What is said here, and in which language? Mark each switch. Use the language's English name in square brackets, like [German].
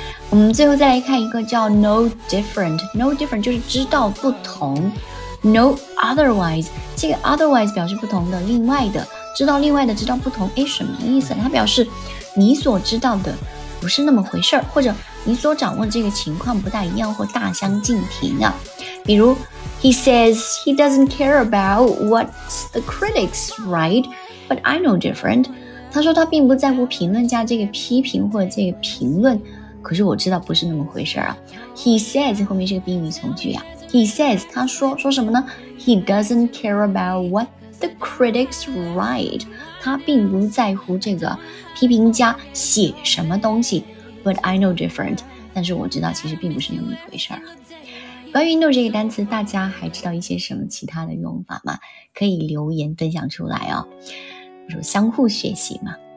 [Chinese] 我们最后再来看一个叫 know different。know different 就是知道不同， know otherwise， 这个 otherwise 表示不同的，另外的，知道另外的，知道不同，诶，什么意思？它表示你所知道的不是那么回事，或者你所掌握的这个情况不大一样，或大相径庭啊。 [English] 比如He says he doesn't care about what the critics write, but I know different. [Chinese] 他说他并不在乎评论家这个批评或这个评论，可是我知道不是那么回事啊。 [English] He says [Chinese] 后面是个宾语从句啊。He says 他说，说什么呢？ [English] He doesn't care about what the critics write. [Chinese] 他并不在乎这个批评家写什么东西， [English] but I know different. [Chinese] 但是我知道其实并不是那么回事啊。关于 know 这个单词，大家还知道一些什么其他的用法吗？可以留言分享出来哦。我说相互学习嘛。